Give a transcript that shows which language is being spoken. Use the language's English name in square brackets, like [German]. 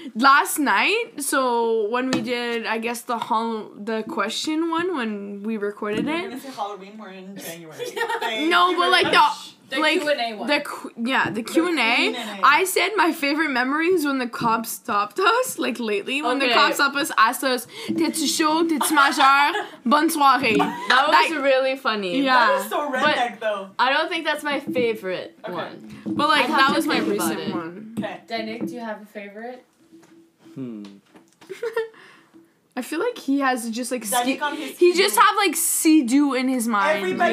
[English] Last night, so when we did, I guess, the question one, when we recorded we're it. We're going to say Halloween, we're in January. No, but The Q&A one. Yeah, the Q&A. I said my favorite memory is when the cops stopped us, lately. Okay. When the cops stopped us, asked us, [French] t'es-tu chaud, t'es-tu majeur, bonne soirée. [English] That was really funny. Yeah. That was so redneck, though. I don't think that's my favorite one. But, that was my recent one. Okay. Denik, do you have a favorite? Hmm. I feel like he has just, like... Denik on his He just have, like, Sea-Doo in his mind. Everybody